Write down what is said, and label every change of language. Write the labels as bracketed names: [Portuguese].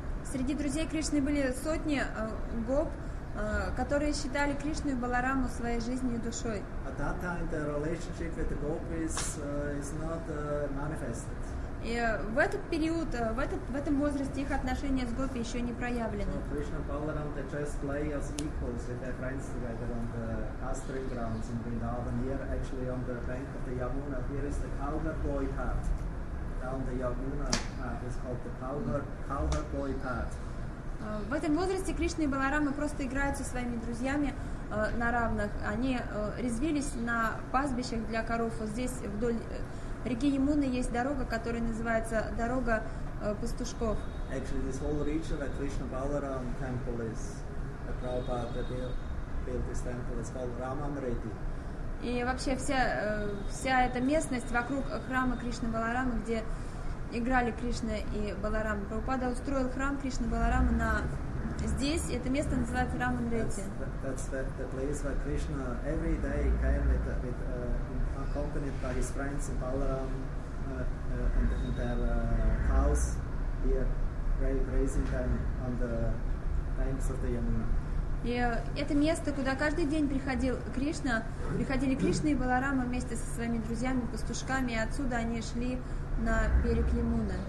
[Russian] Среди друзей Кришны были сотни гоп, которые считали Кришну и Балараму своей жизнью и душой. [English] At that time the relationship with the gopis is not manifested. [Russian] И в этот период, в этом возрасте их отношения с гопи еще не проявлены. Кришна и Баларам, [English] they just play as equals with their friends together on the pasturing grounds in Vrindavan. Here, actually, on the bank of the Yamuna, here is the cowherd boy path. Down the Yamuna path is called the cowherd boy path. [Russian] В этом возрасте Кришна и Баларама просто играют со своими друзьями на равных. Они резвились на пастбищах для коров здесь вдоль реки Ямуны. Есть дорога, которая называется дорога пастушков. [English] Actually, this whole region at Krishna Balaram temple is a Prabhupada built this temple. It's called Ramamriti. [Russian] И вообще вся эта местность вокруг храма Кришны Баларамы, где играли Кришна и Баларама. Прабхупада устроил храм Кришны Баларамы на здесь. Это место называется Рамамрити. [English] That's the place where Krishna every day came with accompanied by his friends in Balaram in their house here, grazing them on the banks of the Yamuna. [Russian] И это место, куда каждый день приходил Кришна, приходили Кришна и Баларама вместе со своими друзьями, пастушками, и отсюда они шли на берег Ямуны.